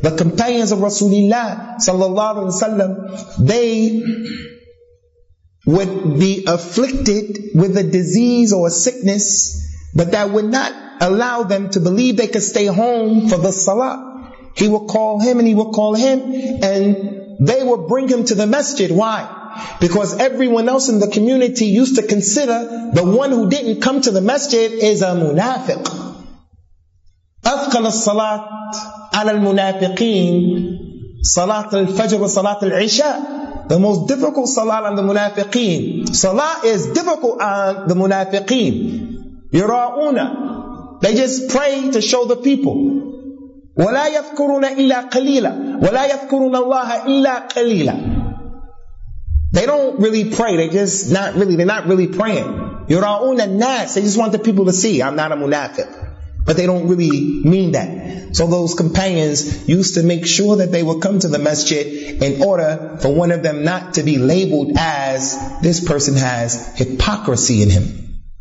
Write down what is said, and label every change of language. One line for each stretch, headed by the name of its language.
English: The companions of Rasulullah sallallahu alaihi wasallam, they would be afflicted with a disease or a sickness, but that would not allow them to believe they could stay home for the salah. He would call him and he would call him, and they would bring him to the masjid. Why? Because everyone else in the community used to consider the one who didn't come to the masjid is a munafiq.
Arabic: أثقل الصلاة على المنافقين صلاة الفجر وصلاة العشاء.
English: The most difficult salah on the munafiqeen. Salah is difficult on the munafiqeen.
Arabic: يراؤونا.
English: They just pray to show the people.
Arabic: ولا يذكرون إلا قليلا ولا يذكرون الله إلا قليلا.
English: They don't really pray. They're not really praying.
Arabic: يراؤون الناس.
English: They just want the people to see. I'm not a munafiq. But they don't really mean that. So those companions used to make sure that they would come to the masjid in order for one of them not to be labeled as this person has hypocrisy in him.